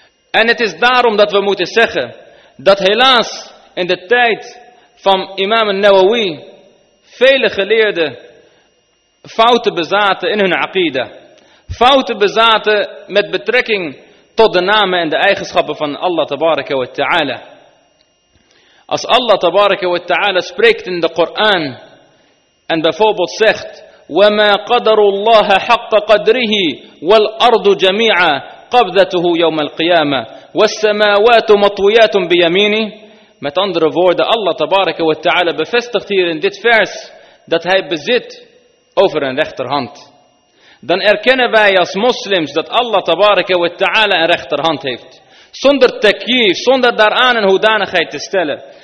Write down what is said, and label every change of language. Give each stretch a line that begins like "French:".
Dutch: En het is daarom dat we moeten zeggen dat helaas in de tijd van imam An-Nawawi vele geleerden fouten bezaten in hun aqida. Fouten bezaten met betrekking tot de namen en de eigenschappen van Allah tabaraka wa ta'ala. Als Allah tabaraka wa ta'ala spreekt in de Koran en bijvoorbeeld zegt:
Arabic: وَمَا قَدَرُ اللَّهَ حَقَّ قَدْرِهِ وَالْأَرْضُ جَمِيعًا قَبْضَتُهُ يَوْمَ الْقِيَامَةِ وَالسَّمَاوَاتُ مَطْوِيَاتٌ بِيَمِينِهِ.
Dutch: Met andere woorden, Allah tabaraka wa ta'ala bevestigt hier in dit vers dat hij bezit over een rechterhand. Dan erkennen wij als moslims dat Allah tabaraka wa ta'ala een rechterhand heeft. Zonder takyif, zonder daaraan een hoedanigheid te stellen.